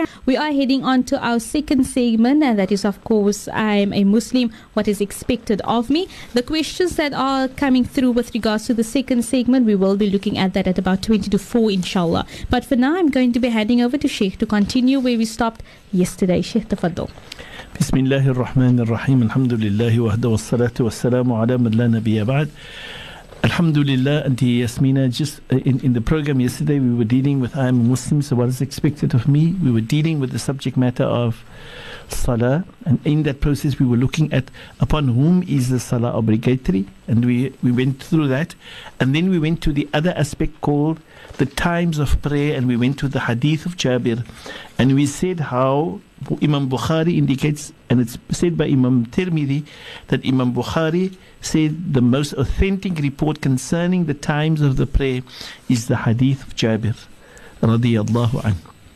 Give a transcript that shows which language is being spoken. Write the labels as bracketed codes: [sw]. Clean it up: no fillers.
[en] We are heading on to our second segment, and that is, of course, I am a Muslim, what is expected of me. The questions that are coming through with regards to the second segment, we will be looking at that at about 20 to 4, inshallah. But for now, I'm going to be heading over to Sheikh to continue where we stopped yesterday. Sheikh Tafadol. [ar] بسم الله الرحمن الرحيم الحمد لله وحده والصلاة والسلام على من لا نبي بعد الحمد لله أنت ياسمينة. [en] Just in the program yesterday we were dealing with I am a Muslim, so what is expected of me. We were dealing with the subject matter of Salah, and in that process we were looking at upon whom is the Salah obligatory, and we went through that, and then we went to the other aspect called the times of prayer, and we went to the hadith of Jabir, and we said how Imam Bukhari indicates, and it's said by Imam Tirmidhi, that Imam Bukhari said the most authentic report concerning the times of the prayer is the hadith of Jabir radiyallahu anhu.